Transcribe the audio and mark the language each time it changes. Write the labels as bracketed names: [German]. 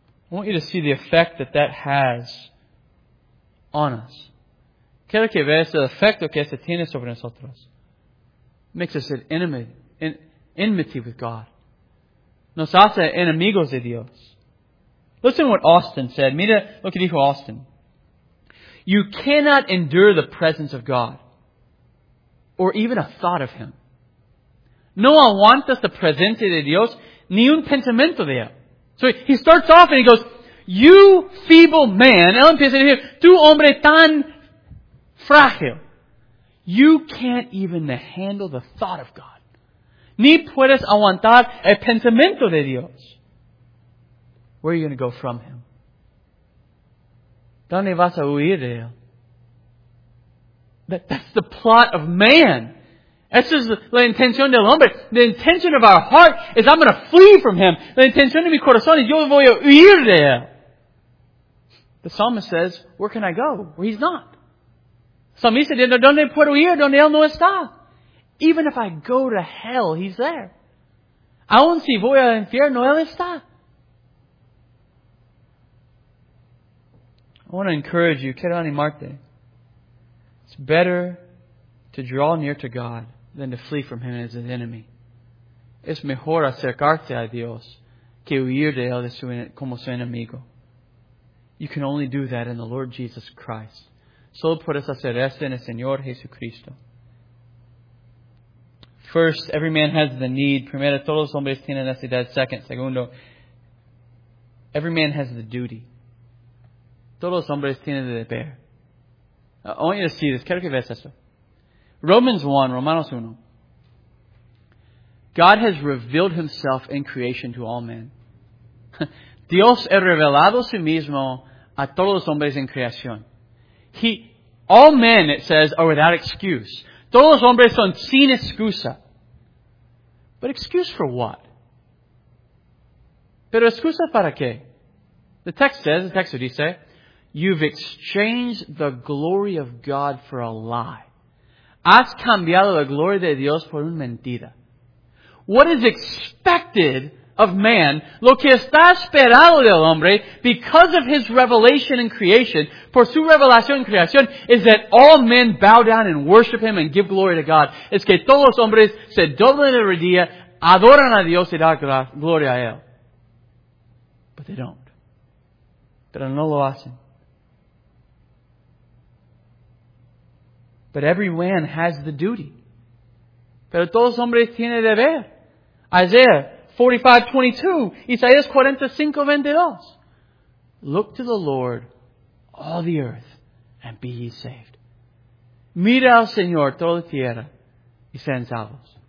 [English] I want you to see the effect that that has on us. [Spanish] Quiero que veas el efecto que este tiene sobre nosotros. [English] Makes us enmity with God. [Spanish] Nos hace enemigos de Dios. [English] Listen to what Austin said. [Spanish] Mira lo que dijo Austin. [English] You cannot endure the presence of God. Or even a thought of Him. [Spanish] No aguantas la presencia de Dios ni un pensamiento de Él. [English] So he starts off and he goes, you feeble man, [Spanish] él empieza a decir, tú hombre tan frágil. [English] You can't even handle the thought of God. [Spanish] Ni puedes aguantar el pensamiento de Dios. [English] Where are you going to go from Him? [Spanish] ¿Dónde vas a huir de Él? [English] That's the plot of man. [Spanish] Esa es la intención del hombre. [English] The intention of our heart is I'm going to flee from Him. [Spanish] La intención de mi corazón es yo voy a huir de Él. [English] The psalmist says, where can I go? Well, He's not. [Spanish] Psalmista dice, ¿dónde puedo huir? ¿Dónde Él no está? [English] Even if I go to hell, He's there. [Spanish] Aún si voy al infierno, Él está. [English] I want to encourage you, [Spanish] quiero animarte. [English] It's better to draw near to God than to flee from Him as His enemy. [Spanish] Es mejor acercarte a Dios que huir de Él como su enemigo. [English] You can only do that in the Lord Jesus Christ. [Spanish] Solo puedes hacer esto en el Señor Jesucristo. [English] First, every man has the need. [Spanish] Primero, todos los hombres tienen necesidad. [English] Segundo, every man has the duty. [Spanish] Todos los hombres tienen el deber. [English] I want you to see this. [Spanish] Quiero que veas esto. [English] Romanos 1. God has revealed Himself in creation to all men. [Spanish] Dios ha revelado a sí mismo a todos los hombres en creación. [English] All men, it says, are without excuse. [Spanish] Todos los hombres son sin excusa. [English] But excuse for what? [Spanish] Pero excusa para qué? [English] The text dice, you've exchanged the glory of God for a lie. [Spanish] Has cambiado la gloria de Dios por una mentira. [English] What is expected of man, [Spanish] lo que está esperado del hombre, [English] because of his revelation in creation, [Spanish] por su revelación en creación, [English] is that all men bow down and worship Him and give glory to God. [Spanish] Es que todos los hombres se doblen de rodilla, adoran a Dios y dan gloria a Él. [English] But they don't. [Spanish] Pero no lo hacen. [English] But every man has the duty. Pero todos hombres tienen deber. Isaiah 45:22. Isaías 45:22. Look to the Lord, all the earth, and be ye saved. [Spanish] Mira al Señor toda la tierra y sean salvos.